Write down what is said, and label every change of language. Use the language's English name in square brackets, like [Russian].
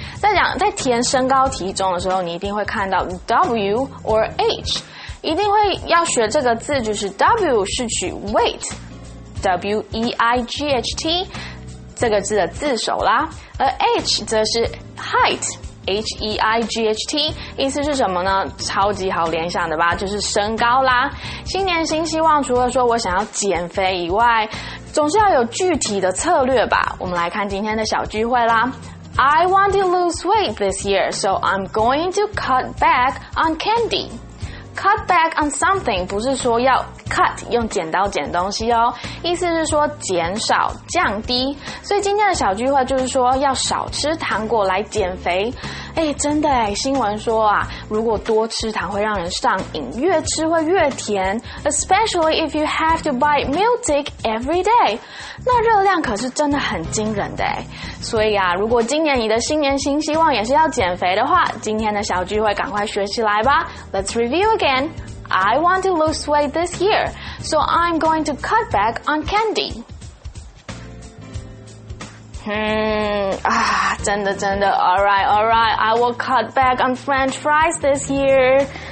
[Chinese] 在填身高体重的时候，你一定会看到 W or H， 一定会要学这个字，就是 W 是取 weight， W E I G H T 这个字的字首啦，而 H 则是 height。 H-E-I-G-H-T 意思是什么呢？超级好联想的吧，就是身高啦。新年新希望，除了说我想要减肥以外，总是要有具体的策略吧。我们来看今天的小聚会啦。 [English] I want to lose weight this year, so I'm going to cut back on candy. Cut back on something [Chinese] 不是说要cut 用剪刀剪东西哦，意思是说减少降低，所以今天的小聚会就是说要少吃糖果来减肥。真的耶，新闻说啊，如果多吃糖会让人上瘾，越吃会越甜， [English] especially if you have to buy Miltic every day， [Chinese] 那热量可是真的很惊人的耶。所以啊，如果今年你的新年新希望也是要减肥的话，今天的小聚会赶快学起来吧。 [English] Let's review againI want to lose weight this year, so I'm going to cut back on candy. [Chinese] 真的。 [English] Alright, I will cut back on French fries this year.